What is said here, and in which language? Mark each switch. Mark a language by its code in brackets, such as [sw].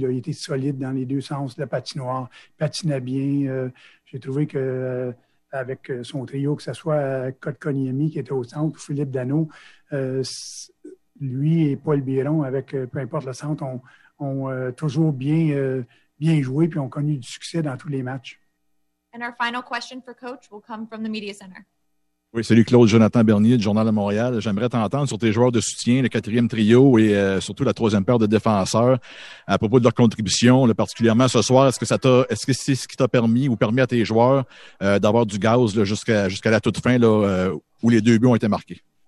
[fr] Là. Il était solide dans les deux sens de la patinoire. Il patinait bien. J'ai trouvé que avec son trio, que ce soit Kotkaniemi qui était au centre, ou Philippe Dano, lui et Paul Biron, avec peu importe le centre, ont toujours bien joué puis ont connu du succès dans tous les matchs. [en] And our final question for coach will come from the Media Center. [fr] Oui, salut Claude, Jonathan Bernier du Journal de Montréal. J'aimerais t'entendre sur tes joueurs de soutien, le quatrième trio et surtout la troisième paire de défenseurs à propos de leur contribution, là, particulièrement ce soir. Est-ce que c'est ce qui t'a permis ou permis à tes joueurs d'avoir du gaz là, jusqu'à la toute fin là, où les deux buts ont été marqués?